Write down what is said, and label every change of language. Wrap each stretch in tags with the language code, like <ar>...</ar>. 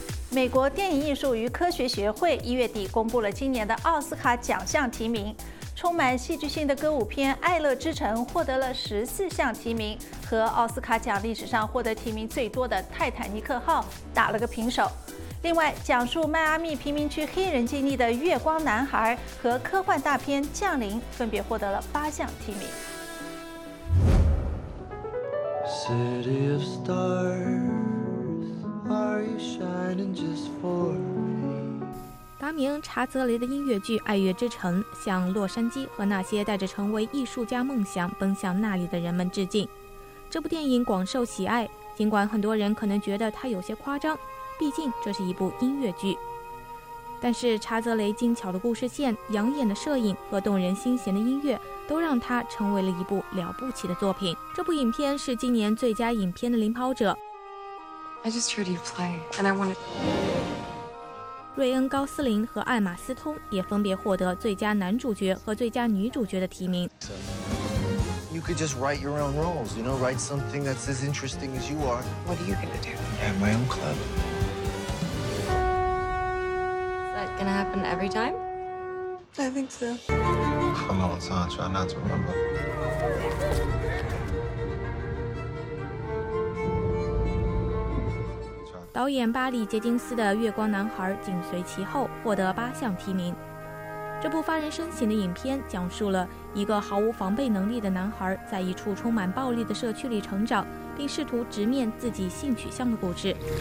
<zh>美国电影艺术与科学学会一月底公布了今年的奥斯卡奖项提名，充满戏剧性的歌舞片《爱乐之城》获得了14项提名，和奥斯卡奖历史上获得提名最多的《泰坦尼克号》打了个平手。另外，讲述迈阿密贫民区黑人经历的《月光男孩》和科幻大片《降临》分别获得了8项提名。</zh> <en>City of stars, are you shining just for me?</en> <zh>达明·查泽雷的音乐剧《爱乐之城》向洛杉矶和那些带着成为艺术家梦想奔向那里的人们致敬。这部电影广受喜爱，尽管很多人可能觉得它有些夸张，毕竟这是一部音乐剧。但是查泽雷精巧的故事线、养眼的摄影和动人心弦的音乐都让它成为了一部了不起的作品。这部影片是今年最佳影片的领跑者。</zh> <en>I just heard you play, and I wanted...</en> <zh>瑞恩·高斯林和艾玛·斯通也分别获得最佳男主角和最佳女主角的提名。</zh> <en>You could just write your own roles, you know, write something that's as interesting as you are. What are you going to do? I have my own club. Is that going to happen every time? I think so. Come on, son, try not to remember.</en> <zh>导演巴里·杰金斯的《月光男孩》紧随其后，获得8项提名。这部发人深省的影片讲述了一个毫无防备能力的男孩在一处充满暴力的社区里成长，并试图直面自己性取向的故事。</zh>